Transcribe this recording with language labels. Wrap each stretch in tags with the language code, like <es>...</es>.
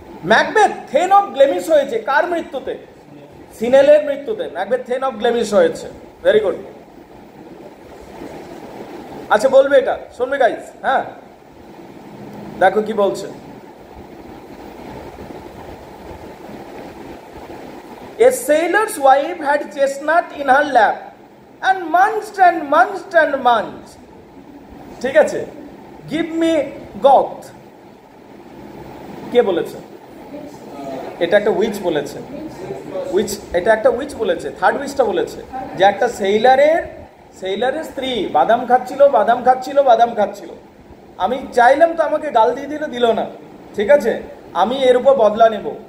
<bn>Macbeth then of Glamis হয়েছে কার মৃত্যুতে? সিনেলের মৃত্যুতে ম্যাকবেথ থেন অফ গ্লেমিস হয়েছে, ভেরি গুড। আচ্ছা বলবে এটা, শুনবে গাইস, হ্যাঁ দেখো কি বলছে।</bn> <en>A sailor's wife had chestnut in her lap and munched and munched and munched.</en> <bn>ঠিক আছে,</bn> <en>give me got.</en> <bn>কে বলেছে? এটা একটা উইচ বলেছে, উইচ, এটা একটা উইচ বলেছে, থার্ড উইচটা বলেছে, যে একটা সেইলারের, সেইলারের স্ত্রী বাদাম খাচ্ছিল, বাদাম খাচ্ছিল, বাদাম খাচ্ছিল, আমি চাইলাম তো আমাকে গাল দিয়ে দিল, দিল না, ঠিক আছে আমি এর উপর বদলা নেব।</bn>